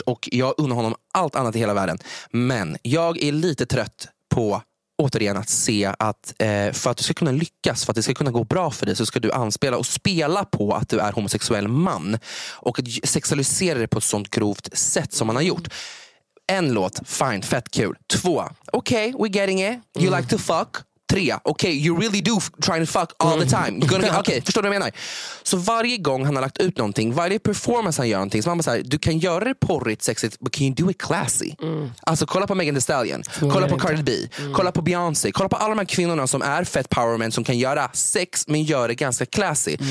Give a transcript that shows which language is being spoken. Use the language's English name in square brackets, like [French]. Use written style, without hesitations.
[Swedish] Och jag unnar honom allt annat i hela världen. Men jag är lite trött på, återigen, att se att för att du ska kunna lyckas, för att det ska kunna gå bra för dig, så ska du anspela och spela på att du är homosexuell man och sexualisera det på ett sånt grovt sätt som han har gjort. En låt, [English] fine, [Swedish] fett kul. Två, [English] okay, we're getting it. You like to fuck. 3, okay, you really do trying to fuck all the time. You're gonna, okay, [Swedish] förstår du vad jag menar? Så varje gång han har lagt ut någonting, varje performance han gör någonting, så man bara säger, du kan göra det porrigt, sexigt, [English] but can you do it classy? [Swedish] Mm. Alltså, kolla på Megan Thee Stallion, kolla på Cardi B, kolla på Beyoncé, kolla på alla de här kvinnorna som är fett power men, som kan göra sex, men gör det ganska classy.